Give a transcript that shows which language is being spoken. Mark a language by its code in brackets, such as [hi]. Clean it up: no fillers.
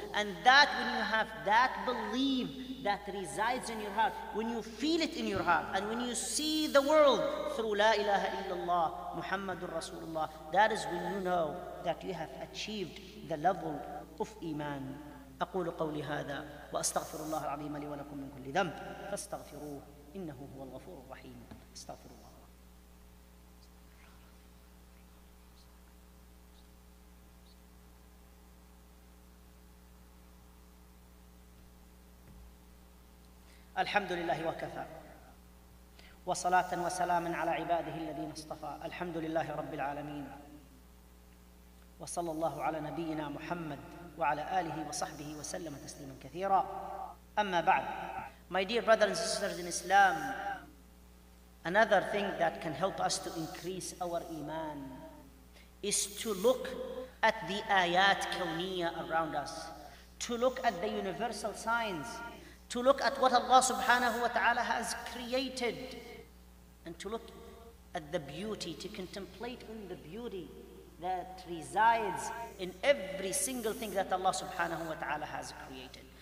[en] And that when you have that belief that resides in your heart, when you feel it in your heart, and when you see the world through La ilaha illallah, Muhammadun Rasulullah, that is when you know that you have achieved the level of Iman. [ar] أقول قولي هذا وأستغفر الله العظيم لي ولكم من كل ذنب فاستغفروه إنه هو الغفور الرحيم استغفر الله. الحمد لله وكفى وصلاة وسلام على عباده الذين اصطفى. الحمد لله رب العالمين وصلى الله على نبينا محمد وعلى آله وصحبه وسلم تسليما كثيرا. أما بعد, [en] my dear brothers and sisters in Islam, another thing that can help us to increase our iman is to look at the ayat kawniya around us, to look at the universal signs, to look at what Allah subhanahu wa ta'ala has created, and to look at the beauty, to contemplate on the beauty that resides in every single thing that Allah subhanahu wa ta'ala has created.